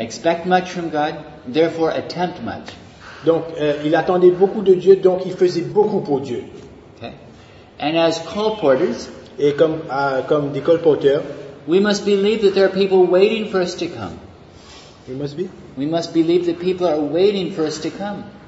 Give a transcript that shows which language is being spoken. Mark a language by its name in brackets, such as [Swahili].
[English] Expect much from God, therefore attempt much. [French] Donc il attendait beaucoup de Dieu, donc il faisait beaucoup pour Dieu. [English] Okay. And as colporteurs, [French] et comme des colporteurs, [English] we must believe that there are people waiting for us to come. We must believe that people are waiting for us to come.